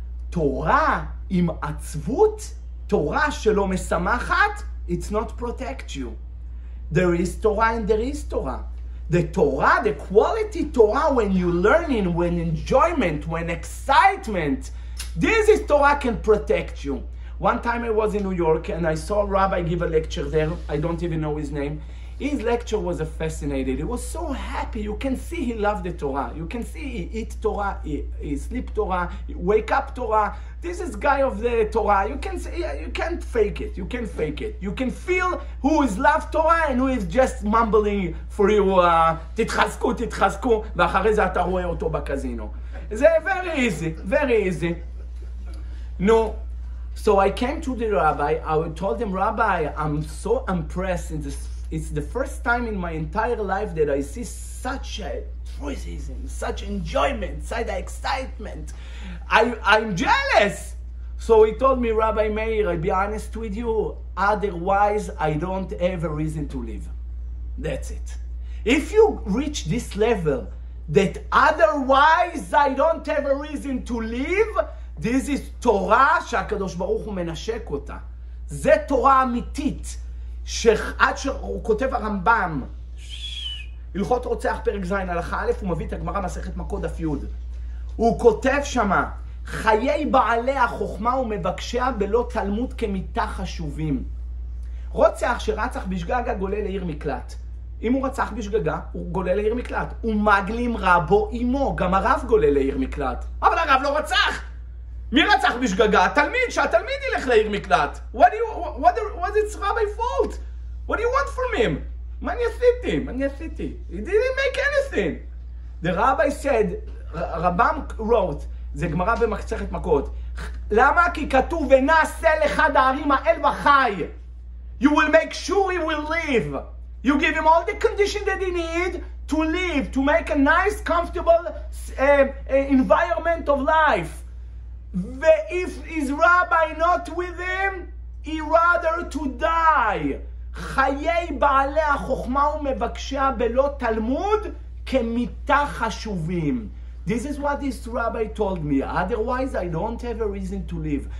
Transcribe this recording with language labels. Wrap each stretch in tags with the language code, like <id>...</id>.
<he>תורה עם עצבות, תורה שלא משמחת,</he> <en>it's not protect you. There is Torah and there is Torah. The Torah, the quality Torah, when you learning, when enjoyment, when excitement, this is Torah can protect you. One time I was in New York and I saw a rabbi give a lecture there, I don't even know his name, His lecture was a fascinating. He was so happy. You can see he loved the Torah. You can see he eat Torah, he sleep Torah, he wake up Torah. This is guy of the Torah. You can see, you can't fake it. You can fake it. You can feel who is love Torah and who is just mumbling for you.</en> <he>Titchasku, titchasku, ואחרי זה אתה רואה אותו בקזינו.</he> <en>It's very easy, very easy. No. So I came to the rabbi. I told him, Rabbi, I'm so impressed. It's the first time in my entire life that I see such a enthusiasm, such enjoyment, such excitement. I'm jealous. So he told me, Rabbi Meir, I'll be honest with you. Otherwise, I don't have a reason to live. That's it. If you reach this level, that otherwise I don't have a reason to live, this is Torah</en> <he>שהקדוש ברוך הוא מנשק אותה. זה תורה אמיתית. שעד שהוא כותב הרמב״ם, הלכות רוצח פרק ז' הלכה א', הוא מביא את הגמרא מסכת מכות דף י'. הוא כותב שמה, חיי בעלי החוכמה ומבקשיה בלא תלמוד כמיתה חשובים. רוצח שרצח בשגגה גולה לעיר מקלט. אם הוא רצח בשגגה, הוא גולה לעיר מקלט. הוא מגלים רבו אמו, גם הרב גולה לעיר מקלט. אבל הרב לא רצח! מי רצח בשגגה? התלמיד, שהתלמיד ילך לעיר מקלט.</he> <en>What is Rabbi's fault? What do you want from him? Man, you're sitting. He didn't make anything. The rabbi said, Rabbam wrote,</en> <he>זה גמרא במסכת מכות, למה? כי כתוב, ונעשה לאחד הערים האל וחי.</he> <en>You will make sure he will live. You give him all the conditions that he needs to live, to make a nice, comfortable environment of life. ואם his rabbi not with him, he rather to die.</en> <he>חיי בעלי החוכמה ומבקשיה בלא תלמוד כמיתה חשובים.</he> <en>This is what this rabbi told me. Otherwise, I don't have a reason to live.</en>